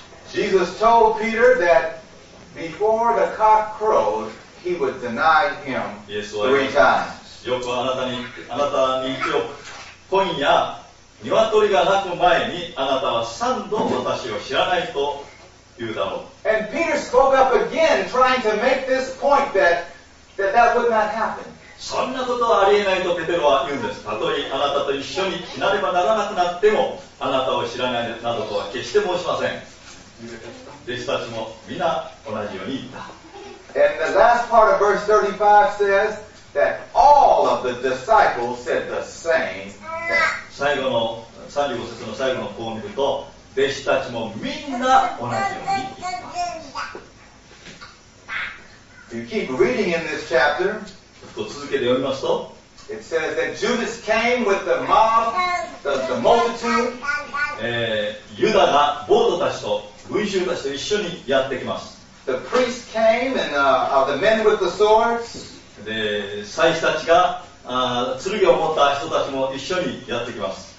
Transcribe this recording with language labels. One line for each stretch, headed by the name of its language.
English: Jesus told Peter that before the cock crowed he would deny him three times。
Japanese: よくあなたに言ってよく、今夜鶏が鳴く前にあなたは三度私を知らないと言うだろう。
English: And Peter spoke up again trying to make this point that would not happen。
Japanese: そんなことはありえないとペテロは言うんです。たとえあなたと一緒に来なればならなくなってもあなたを知らないなどとは決して申しません。弟子たちも皆同じように言った。
English: And the last part of verse 35 says that all of the disciples said the same。
Japanese: 最後の35節の最後の項を見ると弟子たちもみんな同じように言った。
English: You keep reading in this chapter。
Japanese: と続けて読みますと、
English: It says that Judas came with the mob, the multitude。
Japanese: ユダが暴徒たちと群衆たちと一緒にやってきます。
English: The priests came and the men with the swords。
Japanese: で、祭司たちが剣を持った人たちも一緒にやってきます。